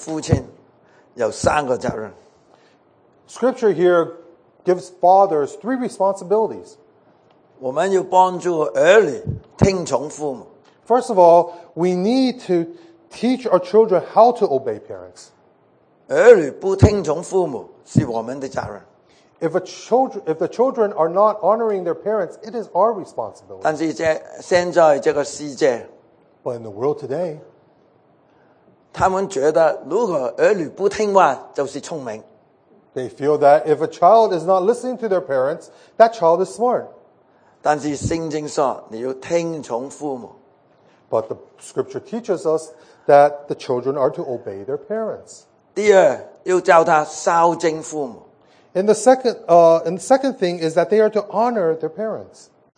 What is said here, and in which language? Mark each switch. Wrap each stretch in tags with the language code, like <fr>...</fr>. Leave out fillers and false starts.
<zh>圣经这里给我们父亲有三个责任。</zh> <en>Scripture here gives fathers three responsibilities.</en> <zh>我们要帮助儿女听从父母。</zh> <en>First of all, we need to teach our children how to obey parents.</en> <zh>儿女不听从父母是我们的责任。</zh> <en>If the children are not honoring their parents, it is our responsibility.</en> <zh>但是现在这个世界,</zh> <en>but in the world today,</en> <zh>他们觉得如果儿女不听话就是聪明。</zh> <en>They feel that if a child is not listening to their parents, that child is smart.</en> <zh>但是圣经说你要听从父母。</zh> <en>But the scripture teaches us that the children are to obey their parents.</en> <zh>第二,要教他孝敬父母。</zh> <en>And the second thing is that they are to honor their parents.</en>